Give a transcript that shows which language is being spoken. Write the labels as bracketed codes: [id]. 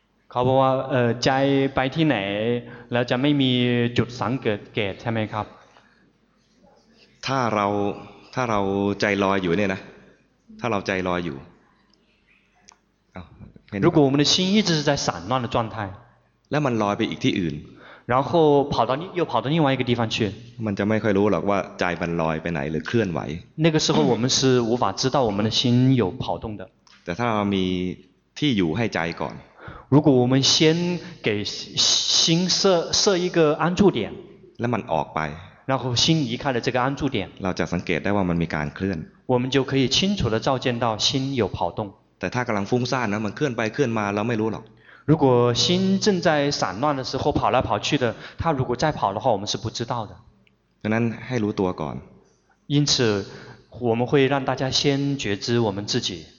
[th] เขาบอกว่าใจไปที่ไหนแล้วจะไม่มีจุดสังเกตใช่ไหมครับ ถ้าเราใจลอยอยู่เนี่ยนะถ้าเราใจลอยอยู่ [zh] 如果我们的心一直是在散乱的状态 [th] แล้วมันลอยไปอีกที่อื่น [zh] 然后跑到又跑到另外一个地方去 [th] มันจะไม่ค่อยรู้หรอกว่าใจมันลอยไปไหนหรือเคลื่อนไหว [zh] 那个时候我们是无法知道我们的心有跑动的 [th] แต่ถ้าเรามี ที่อยู่ให้ใจก่อน [zh] 如果我们先给心 设一个安住点 [th] แล้วมันออกไป [zh] 然后心离开了这个安住点 [th] เราจะสังเกตได้ว่ามันมีการเคลื่อน [zh] 我们就可以清楚地照见到心有跑动 [th] แต่ถ้ากำลังฟุ้งซ่านนะมันเคลื่อนไปเคลื่อนมาเราไม่รู้หรอก [zh] 如果心正在散乱的时候跑来跑去的它如果再跑的话我们是不知道的 [th] ดังนั้นให้รู้ตัวก่อน [zh] 因此我们会让大家先觉知我们自己